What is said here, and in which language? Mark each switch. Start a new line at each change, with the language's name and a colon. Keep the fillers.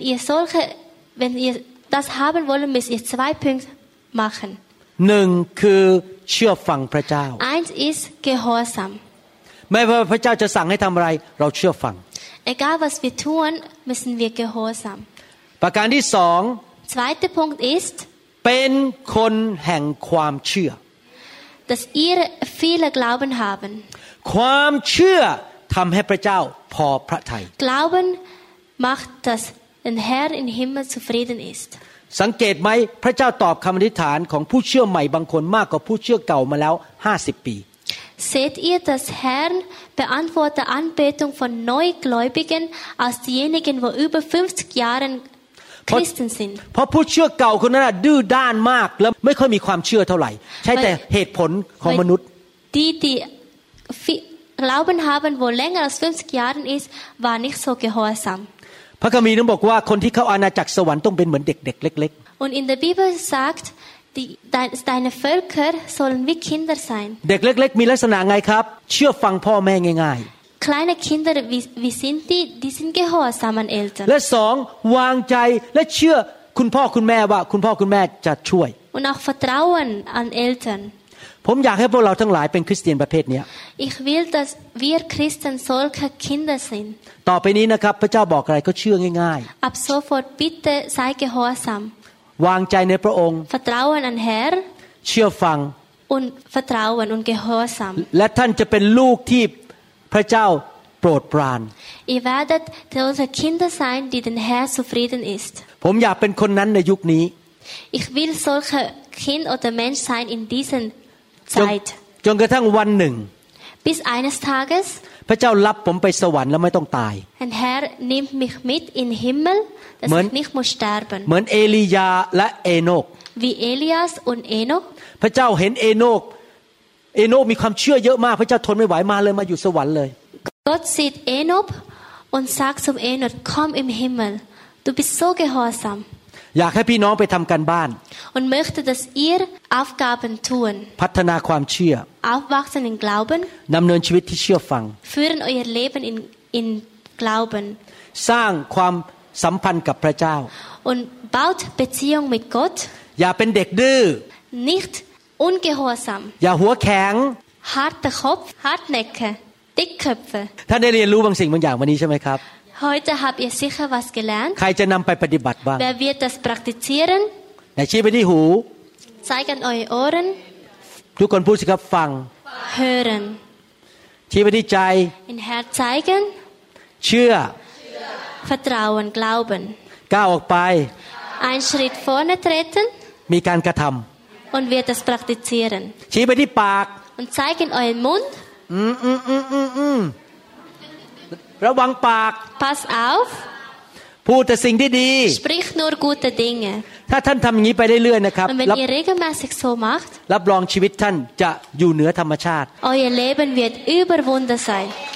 German: ihr solche wenn ihr das haben wollen müsst ihr zwei Punkte machen
Thai: หนึ่งคือเชื่อฟังพระเจ้า
German: Eins ist gehorsam
Thai: ไม่ว่าพระเจ้าจะสั่งให้ทำอะไรเราเชื่อฟัง
German: Egal was wir tun müssen wir gehorsam
Thai: ประการที่สอง
German: Zweite Punkt
Thai: ist เป็นคนแห่งความเชื่อ
German: dass ihr viele Glauben haben
Thai: ความเชื่อทำให้พระเจ้าพอพระทัย
German: Glauben macht dass ein Herr in Himmel zufrieden ist
Thai: สังเกตไหมพระเจ้าตอบคำอธิษฐานของผู้เชื่อใหม่บางคนมากกว่าผู้เชื่อเก่ามาแล้ว 50 ปี
German: Seht ihr, dass Herrn beantwortet Anbetung von Neugläubigen als diejenigen, wo über 50 Jahren Christen sind?
Thai: เพราะผู้เชื่อเก่าคนนั้นดื้อด้านมากแล้วไม่ค่อยมีความเชื่อเท่าไหร่ ใช่แต่เหตุผลของมนุษย์
German: Die, die Glauben haben, wo länger als 50 Jahren ist, war nicht so gehorsam.
Thai: พระคัมภีร์นั้นบอกว่าคนที่เข้าอาณาจักรสวรรค์ต้องเป็นเหมือนเด็กๆเล็กๆ
German: Und in der Bibel sagt deine Völker sollen wie Kinder sein
Thai: เด็กเล็กๆมีลักษณะไงครับเชื่อฟังพ่อแม่ง่าย
German: ๆ Kleine Kinder wie sind die die sind gehorsam an Eltern และส
Thai: องวางใจและเชื่อคุณพ่อคุณแม่ว่าคุณพ่อคุณแม่จะช่วย
German: Und auch vertrauen an Eltern
Thai: ผมอยากให้พวกเราทั้งหลายเป็นคริสเตียนประเภทนี้
German: Ich will dass wir Christen solche Kinder sind
Thai: ต่อไปนี้นะครับพระเจ้าบอกอะไรก็เชื่อง่าย
German: ๆ Ab sofort bitte sei gehorsam
Thai: วางใจในพระองค์
German: Vertrauen an Herr
Thai: เชื่อฟัง
German: Und Vertrauen und Gehorsam
Thai: และท่านจะเป็นลูกที่พระเจ้าโปรดปราน
German: Ihr werdet solche Kinder sein die den Herr zufrieden ist
Thai: ผมอยากเป็นคนนั้นในยุคนี้
German: Ich will solche Kind oder Mensch sein in diesen Zeit.
Thai: จนกระทั่งวันหนึ่ง
German: Bis eines Tages.
Thai: พระเจ้ารับผมไปสวรรค์แล้วไม่ต้องตาย
German: Ein Herr nimmt mich mit in Himmel, dass ich nicht muss sterben.
Thai: เหมือนเอ ลียาและเอโนก
German: Wie Elias und Enoch.
Thai: พระเจ้าเห็นเอโนกเอโนกมีความเชื่อเยอะมากพระเจ้าทนไม่ไหวมาเลยมาอยู่สวรรค์เลย
German: Gott sieht Enoch und sagt zum Enoch, komm im Himmel. Du bist so gehorsam.
Thai: อยากให้พี่น้องไปทำการบ้าน
German: Und möchte, dass ihr Aufgaben tun.
Thai: พัฒนาความเชื่อ
German: Aufwachsen in Glauben.
Thai: ดำเนินชีวิตที่เชื่อฟัง
German: Führen euer Leben in in Glauben.
Thai: สร้างความสัมพันธ์กับพระเจ้า
German: Und baut Beziehung mit Gott.
Thai: อย่าเป็นเด็กดื้อ
German: Nicht ungehorsam.
Thai: อย่าหัวแข็ง
German: Harte Kopf, hartnäckige, dickköpfe.
Thai: ท่านได้เรียนรู้บางสิ่งบางอย่างวันนี้ใช่ไหมครับ
German: Heute habt ihr sicher was gelernt. Wer wird das praktizieren? Wer wird das praktizieren? Zeigen eure Ohren.
Thai: ทุกคนพูดสิครับฟัง
German: Hören.
Thai: ชี้ไปที่ใจ zeigen, เชื่อ
German: Vertrauen glauben
Thai: ก้าวออกไป
German: Ein Schritt vorne treten
Thai: มีการกระทำ
German: Und wir das praktizieren
Thai: ชี้ไปที่ปาก
German: Und zeigen euren Mund
Thai: อืมอืมอืมอืมอืมระวังปาก
German: Pass auf
Thai: พูดแต่สิ่งที่ดี
German: Sprich nur gute Dinge
Thai: ถ้าท่านทำอย่างนี้ไปเรื่อยๆนะครับ
German: Wenn ihr regelmäßig so macht
Thai: รับรองชีวิตท่านจะอยู่เหนือธรรมชาติ
German: Euer Leben wird überwunder sein